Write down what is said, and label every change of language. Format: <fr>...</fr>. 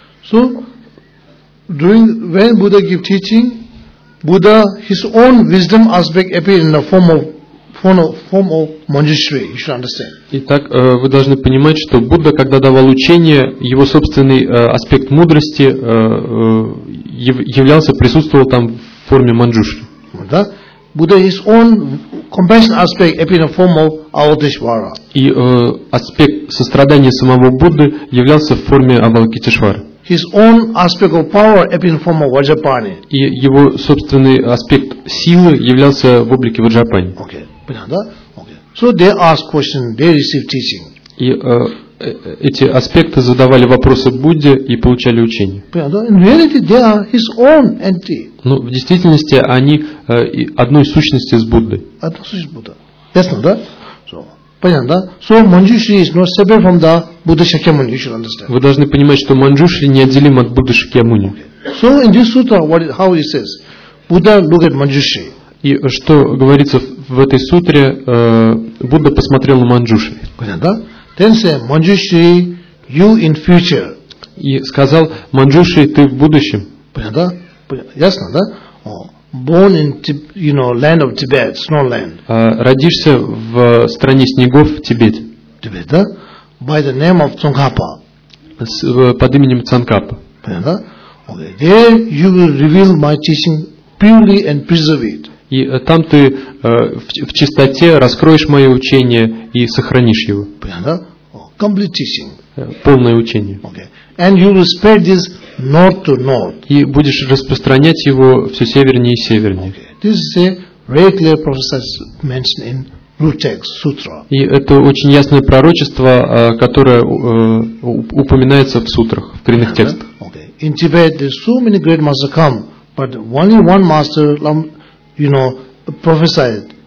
<en>So, during when Buddha gave teaching, Buddha his own wisdom aspect appeared in the form of Manjushri, you should understand.</en> <ru>Итак, вы должны понимать, что Будда, когда давал учение, его собственный аспект мудрости являлся, присутствовал там в форме Манджушри.</ru> <en>Да? Buddha his own compassion aspect appeared in the form of Avalokiteshvara.</en> <ru>И аспект сострадания самого Будды являлся в форме Авалокитешвары.</ru> <en>His own aspect of power appeared in the form of Vajrapani.</en> <ru>И его собственный аспект силы являлся в облике Ваджрапани.</ru> <en>Okay. So they ask questions, they receive teaching.</en> <ru>И эти аспекты задавали вопросы Будде и получали учение.</ru> <en>In reality, they are his own entity.</en> <ru>Но в действительности они одной сущности с Буддой. Одна сущность Будда. Ясно, да? Понятно, да?</ru> <en>So Manjushri is not separate from the Buddha Shakyamuni, you should understand.</en> <ru>Вы должны понимать, что Манджушри неотделим от Будды Шакьямуни.</ru> <en>So in this sutra, what, how he says, Buddha look at Manjushri.</en> <ru>И что говорится в этой сутре, Будда посмотрел на Манджушри.</ru> <en>Да? Then say, Manjushri, you in future.</en> <ru>И сказал, Манджушри, ты в будущем. Понятно, да? Ясно, да?</ru> <en>Born in, you know, land of Tibet, snow land.</en> <ru>Родишься в стране снегов, Тибет.</ru> <en>Тибет, да? By the name of Цонгхапа.</en> <ru>Под именем Цонгхапа. Понятно, да? Okay.</ru> <en>There you will reveal my teaching purely and preserve it.</en> <ru>И там ты в чистоте раскроешь мое учение и сохранишь его.</ru> <en>Complete teaching.</en> <ru>Полное учение.</ru> <en>Okay. And you will spread this north to north.</en> <ru>И будешь распространять его все севернее и севернее.</ru> <en>Okay. This is a very clear prophecy mentioned in Rutex Sutra.</en> <ru>И это очень ясное пророчество, которое упоминается в сутрах, в коренных текстах.</ru> <en>Okay. In Tibet, there are so many great masters come, but only one master, you know, prophesied.</en>